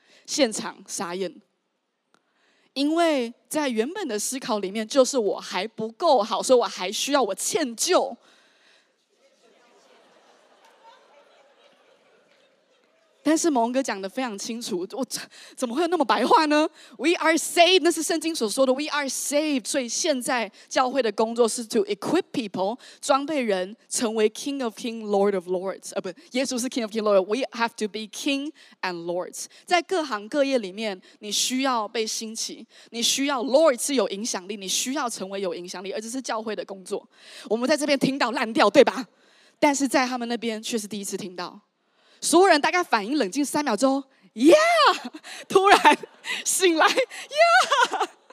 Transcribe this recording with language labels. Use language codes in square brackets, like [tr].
[zh] 现场傻眼，因为在原本的思考里面，就是我还不够好，所以我还需要，我歉疚。但是蒙恩哥讲得非常清楚，我怎么会有那么白话呢？ [en] We are saved， [zh] 那是圣经所说的 [en] We are saved。 [zh] 所以现在教会的工作是 [en] to equip people， [zh] 装备人成为 [en] King of King Lord of Lords、 [zh] 啊、不，耶稣是 [en] King of King Lord， We have to be King and Lords。 [zh] 在各行各业里面，你需要被兴起，你需要 Lord 是有影响力，你需要成为有影响力，而这是教会的工作。我们在这边听到烂掉对吧，但是在他们那边却是第一次听到，所有人大概反应冷静三秒钟 Yeah， 突然醒来 Yeah，